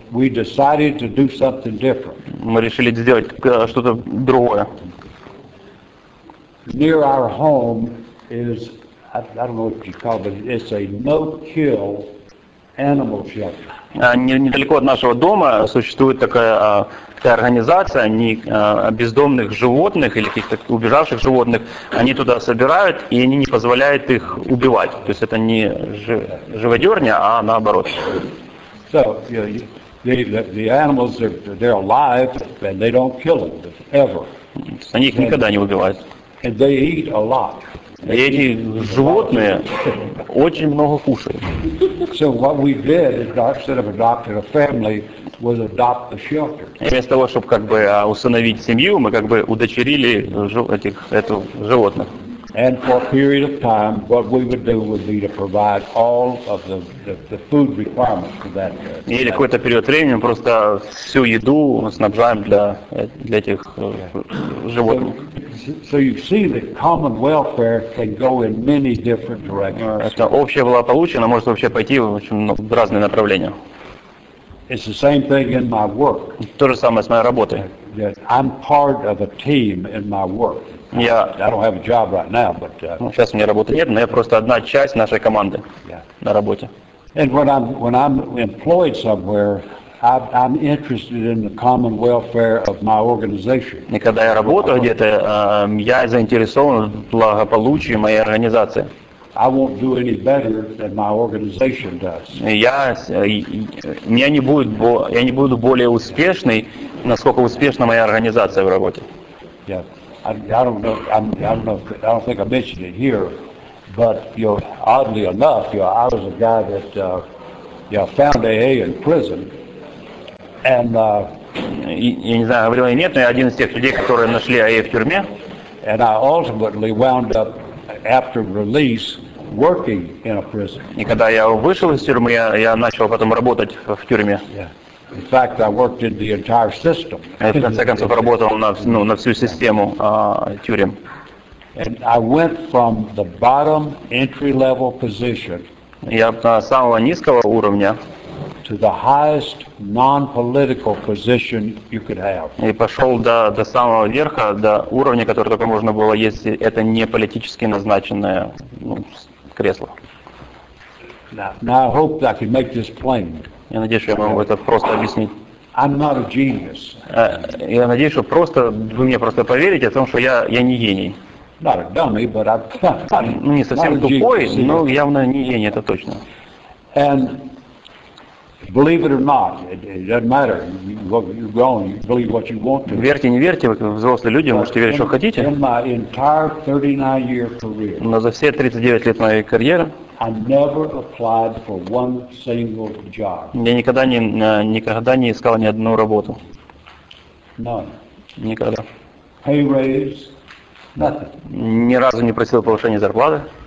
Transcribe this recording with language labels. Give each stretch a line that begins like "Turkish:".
English: we decided to do something different.
Russian: Мы решили сделать что-то другое.
English: Near our home is, I don't know what you call it, but it's a no-kill animal shelter.
Russian: Недалеко от нашего дома существует такая организация бездомных животных или каких-то убежавших животных. Они туда собирают, и они не позволяют их убивать. То есть это не живодерня, а наоборот.
English: So, the animals, they're alive, and they don't kill them, ever.
Russian: Они их никогда не убивают.
English: And they eat a lot.
Russian: И эти животные очень много кушают.
English: So what we did is, instead of adopting a family, was adopt the shelter.
Russian: И вместо того, чтобы установить семью, мы удочерили эту животных.
English: And for a period of time, what we would do would be to provide all of the food requirements for that.
Russian: Или какой-то период времени мы просто всю еду снабжаем для этих животных.
English: So you see that common welfare can go in many different directions.
Russian: Это общее благополучие, оно может вообще пойти в разные направления.
English: It's the same thing in my work.
Russian: То же самое с моей работой.
English: Yes, I'm part of a team in my work. I don't have a job right now, but.
Russian: Сейчас у меня работы нет, но я просто одна часть нашей команды на работе.
English: And when I'm employed somewhere, I'm interested in the common welfare of my organization.
Russian: И когда я работаю где-то, я заинтересован в благополучии моей организации.
English: I won't do any better than my organization does.
Russian: Я не буду более успешный, насколько успешна моя организация в работе.
English: Yeah, I don't know. I don't think I mentioned it here, But you know, oddly enough, you know, I was a guy that found AA in prison. And
Russian: я не знаю, говорил или нет, но я один из тех людей, которые нашли AA в тюрьме.
English: And I ultimately wound up after release working in a prison.
Russian: И когда я вышел из тюрьмы, я начал потом работать в тюрьме.
English: Yeah. In fact, I worked in the entire system.
Russian: В конце концов, работал на всю систему тюрем.
English: And I went from the bottom entry-level position.
Russian: Я самого низкого уровня.
English: To the highest non-political position you could have.
Russian: И пошел до самого верха, до уровня, который только можно было, если это не политически назначенное кресло.
English: Now I hope that I can make this plain.
Russian: Я надеюсь, я могу это просто объяснить.
English: I'm not a genius.
Russian: Я надеюсь, что просто вы мне просто поверите о том, что я не гений.
English: Not a dummy, but I'm
Russian: не совсем тупой, но явно не гений, это точно.
English: And believe it or not, it doesn't matter. You're grown. You believe what you want to.
Russian: Верьте, не верьте, вы взрослые люди, можете верить, что хотите.
English: In my entire 39-year career.
Russian: Но за все 39 лет моей карьеры.
English: I never applied for one single job.
Russian: Я никогда не искал ни одну работу.
English: None.
Russian: Никогда.
English: Pay raise. Nothing.
Russian: Ни разу не просил повышения зарплаты.